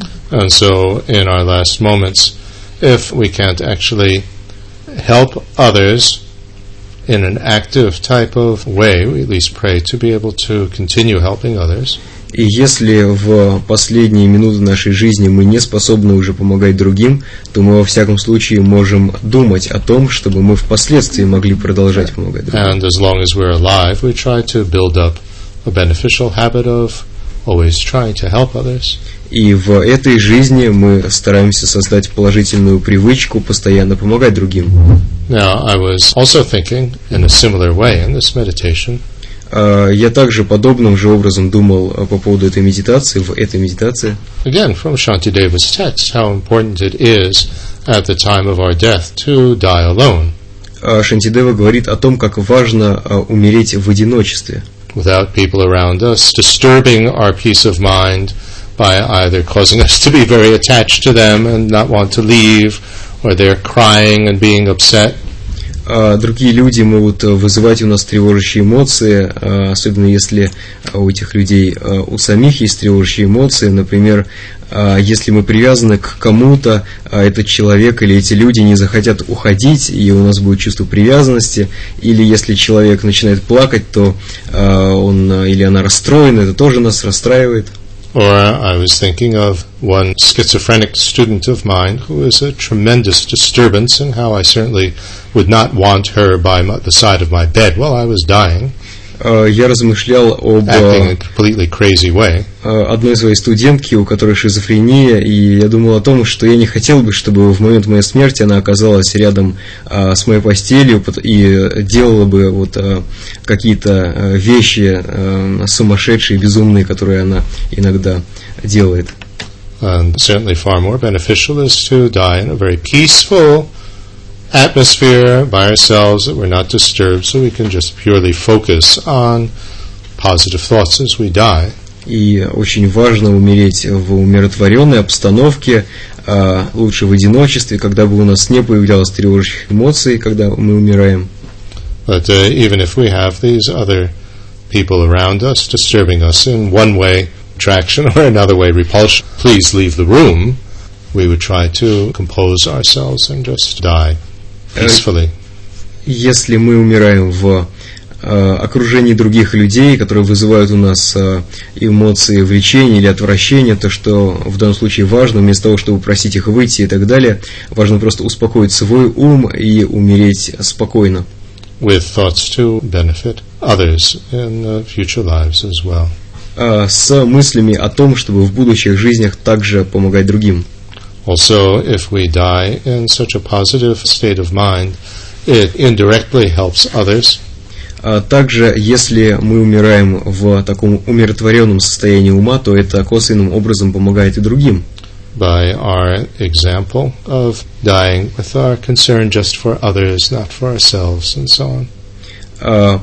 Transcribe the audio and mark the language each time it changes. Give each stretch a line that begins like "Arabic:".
English: And so, in our last moments, if we can't actually help others in an active type of way, we at least pray to be able to continue helping others.
Russian: И если в последние минуты нашей жизни мы не способны уже помогать другим, то мы во всяком случае можем думать о том, чтобы мы впоследствии могли продолжать помогать другим.
English: And as long as we're alive, we try to build up a beneficial habit of always trying to help others.
Russian: И в этой жизни мы стараемся создать положительную привычку постоянно помогать другим.
English: Now, I was also thinking in a similar way in this meditation.
Russian: Я также подобным же образом думал по поводу этой медитации, в этой медитации.
English: Again, from Shantideva's text, how important it is at the time of our death to die alone.
Russian: Шантидева говорит о том, как важно умереть в одиночестве.
English: Without people around us disturbing our peace of mind by either causing us to be very attached to them and not want to leave, or they're crying and being upset.
Russian: другие люди могут вызывать у нас тревожащие эмоции, особенно если у этих людей у самих есть тревожащие эмоции. Например, если мы привязаны к кому-то, этот человек или эти люди не захотят уходить, и у нас будет чувство привязанности. Или если человек начинает плакать, то он или она расстроена, это тоже нас расстраивает.
English: Or I was thinking of one schizophrenic student of mine who is a tremendous disturbance, and how I certainly would not want her by the side of my bed while I was dying.
Russian: Я размышлял об
English: completely crazy way.
Russian: Одной своей студентке, у которой шизофрения, и я думал о том, что я не хотел бы, чтобы в момент моей смерти она оказалась рядом с моей постелью и делала бы вот какие-то вещи сумасшедшие, безумные, которые она иногда делает.
English: And certainly far more beneficial is to die in a very peaceful atmosphere by ourselves, that we're not disturbed, so we can just purely focus on positive thoughts as we die.
Russian: И очень важно умереть в умиротворенной обстановке, лучше в одиночестве, когда бы у нас не появлялось тревожных эмоций, когда мы умираем.
English: But even if we have these other people around us disturbing us in one way, attraction, or another way, repulsion, please leave the room, we would try to compose ourselves and just die peacefully.
Russian: Если мы умираем в окружении других людей, которые вызывают у нас эмоции влечения или отвращения, то, что в данном случае важно, вместо того, чтобы просить их выйти и так далее, важно просто успокоить свой ум и умереть спокойно.
English: With thoughts to benefit others in future lives as well.
Russian: С мыслями о том, чтобы в будущих жизнях также помогать другим.
English: Also, if we die in such a positive state of mind, it indirectly helps others.
Russian: Также, если мы умираем в таком умиротворенном состоянии ума, то это косвенным образом помогает и другим.
English: By our example of dying with our concern just for others, not for ourselves, and so on.